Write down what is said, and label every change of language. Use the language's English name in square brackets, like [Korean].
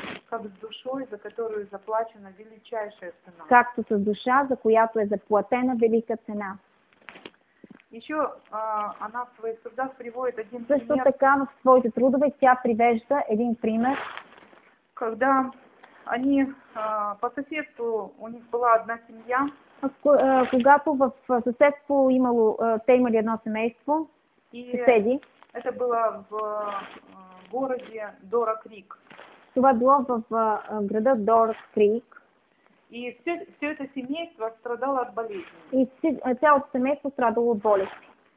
[Russian] Как с душой, за которую заплачена величайшая цена. [Bulgarian] Както с душа, за която е заплатена велика цена. [Russian] Еще она в своих трудах приводит один пример. [Bulgarian] Също така в своите трудове тя привежда един пример. [Russian] Когда они по соседству, у них была одна семья. [Bulgarian] Когато в съседство имало, те имали едно семейство, и съседи. [Russian] Это было в городе Дора Крик. [Bulgarian] Това било в града Дора Крик. [Russian] И все это семейство страдало от болезни. [Bulgarian] И цялото семейство страдало от болести.